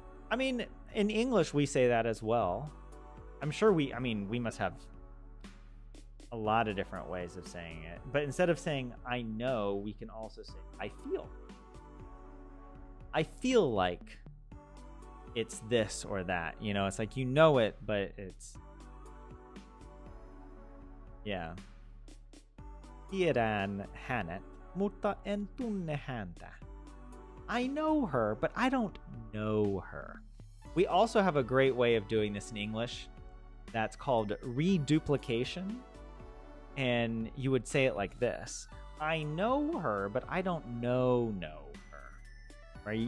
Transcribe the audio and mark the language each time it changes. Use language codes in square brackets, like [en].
[en] I mean, in English, we say that as well. I'm sure we must have a lot of different ways of saying it. But instead of saying, I know, we can also say, I feel. I feel like it's this or that. You know, it's like, you know it, but it's, yeah. [fi] Tiedän hänet, mutta en tunne häntä. [en] I know her, but I don't know her. We also have a great way of doing this in English that's called reduplication. And you would say it like this. I know her, but I don't know her. Right?